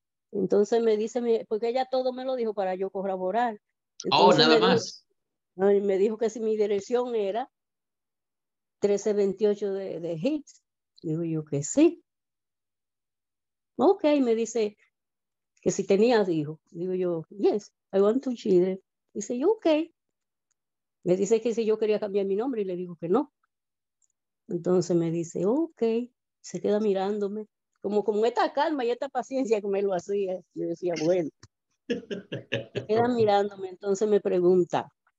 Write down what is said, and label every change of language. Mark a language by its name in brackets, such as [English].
[Spanish] Entonces me dice, porque ella todo me lo dijo para yo corroborar. Entonces, oh, nada más. Me dijo que si mi dirección era 1328 de Hicks. Digo yo que sí. Ok, me dice que si tenías hijos. Digo yo, [English] yes, I want two children. [Spanish] Dice yo, ok. Me dice que si yo quería cambiar mi nombre y le digo que no. Entonces me dice, ok. Se queda mirándome. Como con esta calma y esta paciencia que me lo hacía. Yo decía, bueno. Se queda mirándome. Entonces me pregunta.